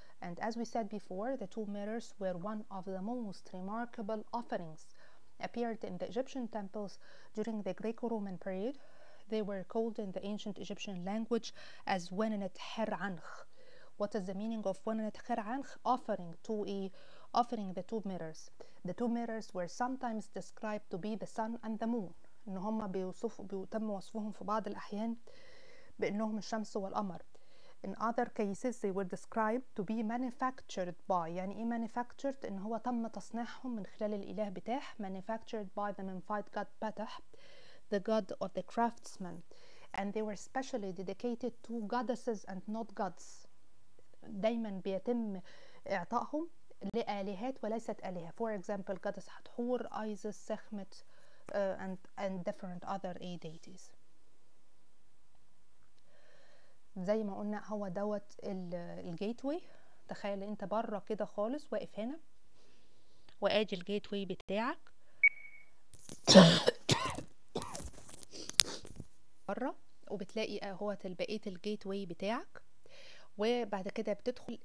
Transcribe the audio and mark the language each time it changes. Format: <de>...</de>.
<en>And as we said before, the two mirrors were one of the most remarkable offerings appeared in the Egyptian temples during the Greco-Roman period. They were called in the ancient Egyptian language as Wenenet Her'anch. What is the meaning of Wenenet Her'anch? Offering the two mirrors. The two mirrors were sometimes described to be the sun and the moon.</en> <ar>إن هما بيتم وصفهم في بعض الأحيان بأنهم الشمس والقمر.</ar> <en>In other cases, they were described to be manufactured by.</en> <ar>يعني إيه manufactured؟ إن هو تم تصنيعهم من خلال الإله بتاح.</ar> <en>Manufactured by the Memphite god Ptah, the god of the craftsmen. And they were specially dedicated to goddesses and not gods.</en> <ar>دايما بيتم إعطائهم لآلهات وليست آلهة.</ar> <en>For example, goddess Hathor, Isis, Sekhmet, and different other deities.</en> <ar>زي ما قلنا هو دوت الجيتوي. تخيل انت برا كده خالص واقف هنا وآجي الجيتوي بتاعك برا وبتلاقي هو بقية الجيتوي بتاعك وبعد كده بتدخل.</ar>